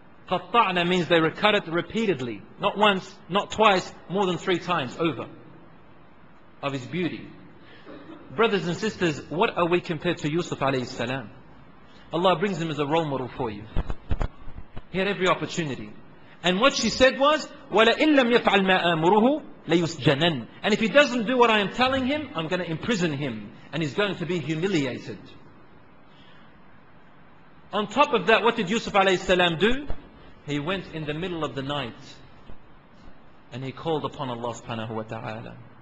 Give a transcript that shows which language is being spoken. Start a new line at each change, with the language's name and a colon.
English: قَطَّعْنَا means they cut it repeatedly, not once, not twice, more than three times over, of his beauty. Brothers and sisters, what are we compared to Yusuf alayhi salam? Allah brings him as a role model for you. He had every opportunity. And what she said was,
Arabic: وَلَئِنْ لَمْ يَفْعَلْ مَا أَمُرُهُ لَيُسْجَنَنْ.
English: And if he doesn't do what I am telling him, I'm going to imprison him. And he's going to be humiliated. On top of that, what did Yusuf alayhi salam do? He went in the middle of the night. And he called upon Allah subhanahu wa ta'ala.